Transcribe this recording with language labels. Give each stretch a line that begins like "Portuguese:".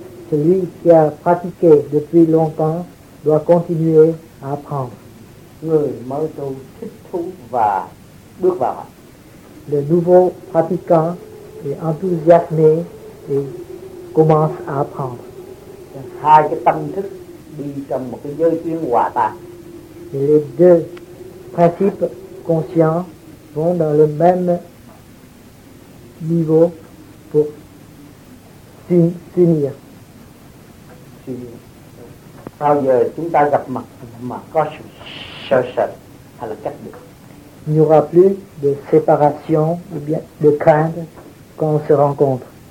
French: Celui qui a pratiqué depuis longtemps doit continuer à apprendre.
Vietnamese: người mới tu thích thú và bước vào.
French: Le nouveau pratiquant est enthousiasmé et commence à apprendre.
Vietnamese: Hai cái tâm thức đi trong một cái giới chuyển hòa tan.
French: Les deux principes conscients vont dans le même niveau pour s'unir.
Vietnamese: Bao giờ chúng ta gặp mặt mà có sự sợ sệt hay là cách biệt?
French: Il n'y aura plus de séparation ou bien de crainte quand on se rencontre.